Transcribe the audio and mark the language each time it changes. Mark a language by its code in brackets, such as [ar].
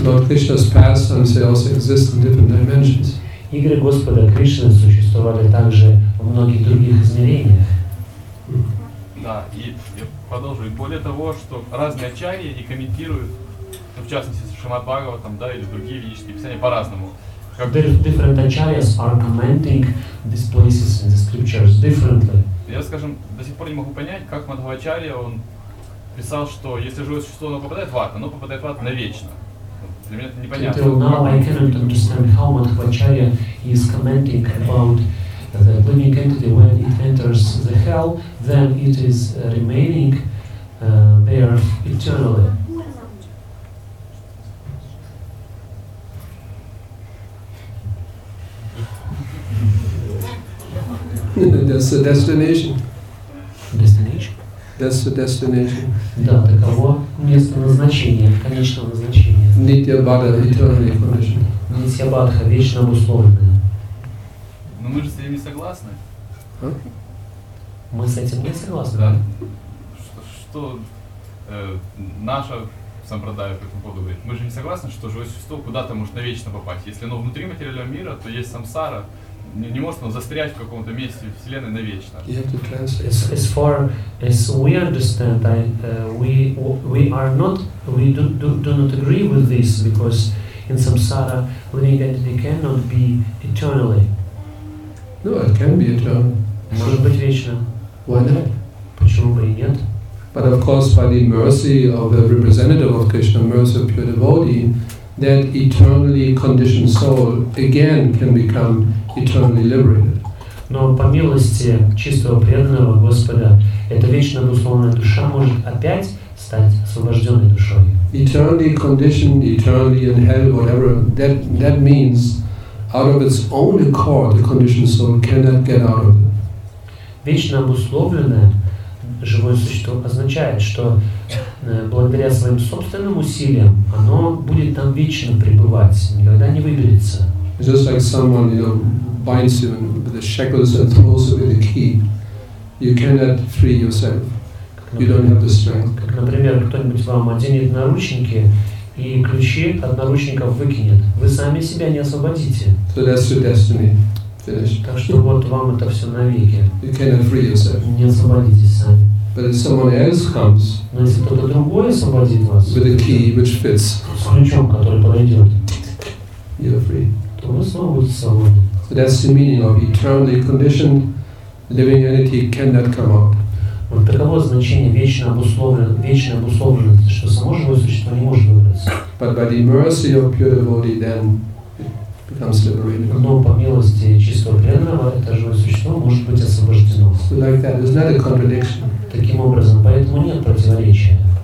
[en] Lord Krishna's pastimes, they also exist in different dimensions. [ru] Игры Господа Кришны существовали также в многих других измерениях. Да, и я продолжу. И более того, что разные ачарьи они комментируют, ну, в частности, Шримад Бхагаватам, да, или другие ведические писания по-разному. [en] Different acharyas are commenting these places in the scriptures differently. [ru] Я, скажем, до сих пор не могу понять, как Мадхавачарья он писал, что если живое существо оно попадает в ад, оно попадает в ад навечно. Для меня это непонятно. [en] Until now I cannot understand how Мадхавачарья is commenting about the living entity when it enters the hell, then it is remaining there eternally. That's the destination. Destination? That's the destination. [ru] Да, таково место назначения, конечного назначения. [en] Нитья Бхадха, eternally condition. [ru] Нитья Бхадха, вечно обусловленная. Но мы же с этим не согласны. Мы с этим не согласны. Да. Что наша сампрадая по этому поводу говорит? Мы же не согласны, что живое существо куда-то может навечно попасть. Если оно внутри материального мира, то есть самсара. Не может он застрять в каком-то месте вселенной навечно. [en] As far as we understand, we do not agree with this, because in samsara living entity cannot be eternally. No, it can be eternal. [ru] Может быть вечно. [en] Why not? [ru] Почему бы и нет? [en] But of course, by the mercy of a representative of Krishna, mercy of pure devotee, that eternally conditioned soul again can become eternally liberated. [ru] Но по милости чистого преданного Господа, эта вечно обусловленная душа может опять стать освобожденной душой. [en] Eternally conditioned, eternally in hell, whatever, that means out of its own accord the conditioned soul cannot get out of it. [ru] Вечно обусловленное живое существо означает, что благодаря своим собственным усилиям оно будет там вечно пребывать, никогда не выберется. [en] It's just like someone, you know, binds you with the shackles and throws you with a key. You cannot free yourself. You don't have the strength. [ru] Как, например, кто-нибудь вам оденет наручники и ключи от наручников выкинет. Вы сами себя не освободите. [en] So that's your destiny. Finished. [ru] Так что вот вам это все навеки. [en] You cannot free yourself. [ru] Не освободитесь сами. [en] But if someone else comes, [ru] но если кто-то другой освободит вас, [en] with a key which fits, [ru] с ключом, который подойдет, [en] you're free. [ru] То вы снова будете свободны. [en] So that's the meaning of eternally conditioned living entity cannot come out. [ru] Вот таково значение вечно обусловленности, что само живое существо не может выбраться. [en] But by the mercy of pure devotee, then becomes liberated. [ru] Но по милости чистого преданного это живое существо может быть освобождено. [en] Like that, isn't that a contradiction? [ru] Таким образом, поэтому нет противоречия.